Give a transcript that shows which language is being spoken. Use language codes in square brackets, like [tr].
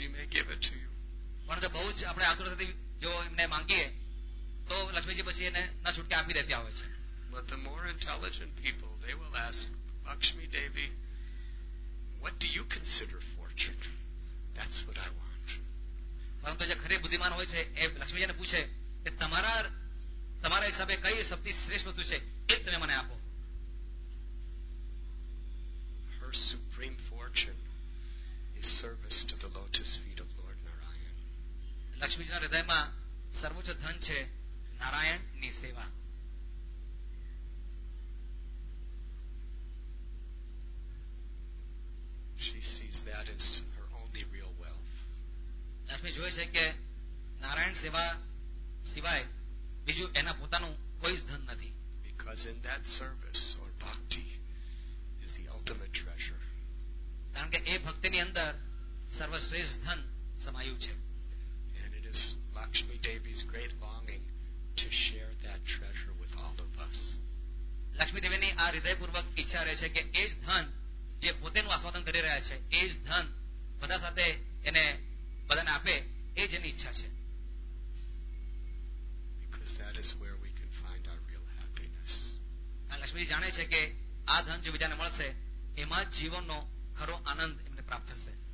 [gu] પણ તો બહુ જ આપણે આકૃતિ જો એમને માંગીએ તો લક્ષ્મીજી પછી એને ના છૂટકે આપી દેતી આવે છે. [en] But the more intelligent people, they will ask, Lakshmi Devi, what do you consider fortune? That's what I want. [gu] પરંતુ જે ખરે બુદ્ધિમાન હોય છે એ લક્ષ્મીજીને પૂછે કે તમારા હિસાબે કઈ શક્તિ શ્રેષ્ઠ વસ્તુ છે એ તમે મને આપો. [en] Her supreme fortune is service to the lotus feet of Lord Narayan. [gu] લક્ષ્મીજીના હૃદયમાં સર્વોચ્ચ ધન છે નારાયણની સેવા. [en] She sees that as her only real wealth. [gu] Lakshmi જોય છે કે નારાયણ સેવા સિવાય બીજું એના પોતાનું કોઈ જ ધન નથી. [en] Because in that service or bhakti is the ultimate treasure. [gu] કારણ કે એ ભક્તિની અંદર સર્વશ્રેષ્ઠ ધન સમાયું છે. [en] And it is Lakshmi Devi's great longing to share that treasure with all of us. [gu] Lakshmi દેવીની આ હૃદયપૂર્વક ઈચ્છા રહે છે કે એ જ ધન જે પોતે નું આસ્વાદન કરી રહ્યા છે એ જ ધન બધા સાથે એને બધાને આપે એ જ એની ઈચ્છા છે. [en] Because that is where we can find our real happiness. [gu] Lakshmiji જાણે છે કે આ ધન જો બીજાને મળશે એમાં જીવનનો ખરો આનંદ એમને પ્રાપ્ત થશે.